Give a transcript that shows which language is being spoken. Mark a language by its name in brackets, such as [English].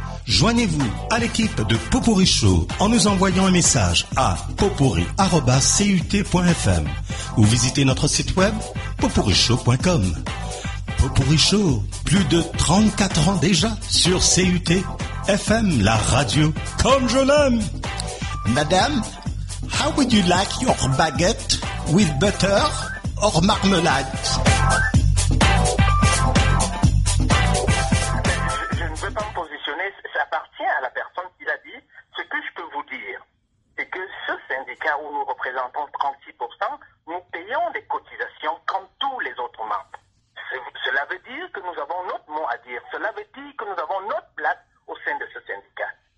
[French] Joignez-vous à l'équipe de Popourri Show en nous envoyant un message à popourri@cut.fm ou visitez notre site web popourrishow.com. Popourri Show, plus de 34 ans déjà sur CUT FM, la radio comme je l'aime. [English] Madame, how would you like your baguette with butter or marmalade? [French] Je ne veux pas me positionner, ça appartient à la personne qui l'a dit. Ce que je peux vous dire, c'est que ce syndicat où nous représentons 36%, nous payons des cotisations comme tous les autres membres. Cela veut dire que nous avons notre mot à dire. Cela veut dire que nous avons notre place au sein de ce syndicat.